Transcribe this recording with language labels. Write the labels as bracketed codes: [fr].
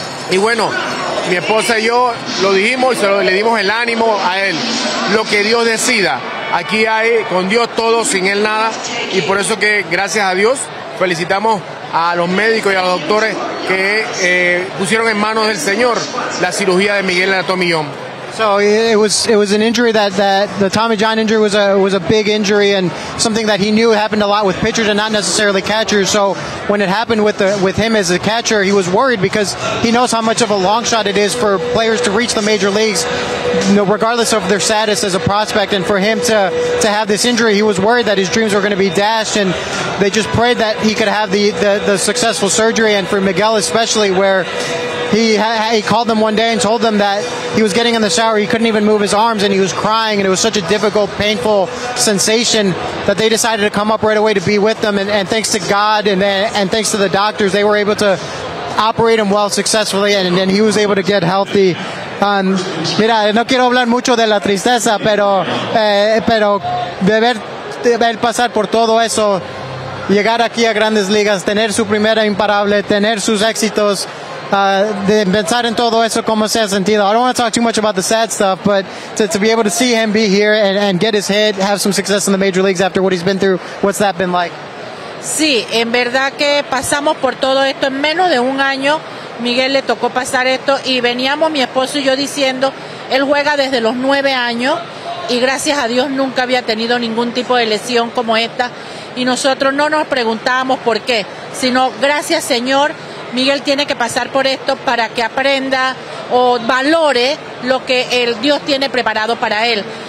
[es] Y bueno, mi esposa y yo lo dijimos y le dimos el ánimo a él. Lo que Dios decida, aquí hay con Dios todo, sin él nada. Y por eso que, gracias a Dios, felicitamos a los médicos y a los doctores que pusieron en manos del Señor la cirugía de Miguel en la Tommy John. [en] So it was an injury that the Tommy John injury was a big injury, and something that he knew happened a lot with pitchers and not necessarily catchers. So when it happened with him as a catcher, he was worried because he knows how much of a long shot it is for players to reach the major leagues, you know, regardless of their status as a prospect. And for him to have this injury, he was worried that his dreams were going to be dashed, and they just prayed that he could have the successful surgery. And for Miguel especially, where he called them one day and told them that he was getting in the shower, he couldn't even move his arms, and he was crying, and it was such a difficult, painful sensation that they decided to come up right away to be with them. And thanks to God and thanks to the doctors, they were able to operate him well, successfully, and he was able to get healthy. [es] Mira, no quiero hablar mucho de la tristeza, pero de ver el pasar por todo eso, llegar aquí a Grandes Ligas, tener su primera imparable, tener sus éxitos, de pensar en todo eso, cómo se ha sentido. [en] I don't want to talk too much about the sad stuff, but to be able to see him be here and get his hit, have some success in the major leagues after what he's been through, what's that been like? [es] Sí, en verdad que pasamos por todo esto en menos de un año. Miguel le tocó pasar esto, y veníamos mi esposo y yo diciendo, él juega desde los 9 años y gracias a Dios nunca había tenido ningún tipo de lesión como esta, y nosotros no nos preguntábamos por qué, sino gracias, Señor, Miguel tiene que pasar por esto para que aprenda o valore lo que el Dios tiene preparado para él.